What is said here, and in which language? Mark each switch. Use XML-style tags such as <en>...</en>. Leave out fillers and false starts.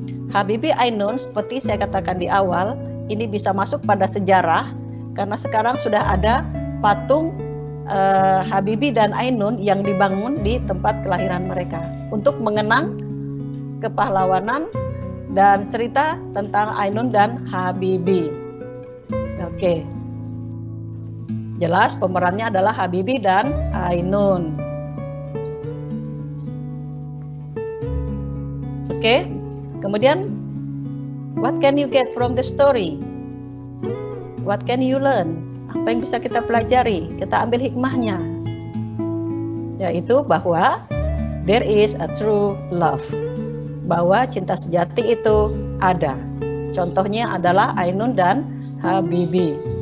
<id>Habibi Ainun, seperti saya katakan di awal, ini bisa masuk pada sejarah karena sekarang sudah ada patung Habibi dan Ainun yang dibangun di tempat kelahiran mereka untuk mengenang kepahlawanan dan cerita tentang Ainun dan Habibi. Oke. Jelas pemerannya adalah Habibi dan Ainun. Oke, kemudian,</id> <en>what can you get from the story? What can you learn?</en> <id>Apa yang bisa kita pelajari? Kita ambil hikmahnya. Yaitu bahwa</id> <en>there is a true love.</en> <id>Bahwa cinta sejati itu ada. Contohnya adalah Ainun dan Habibi.</id>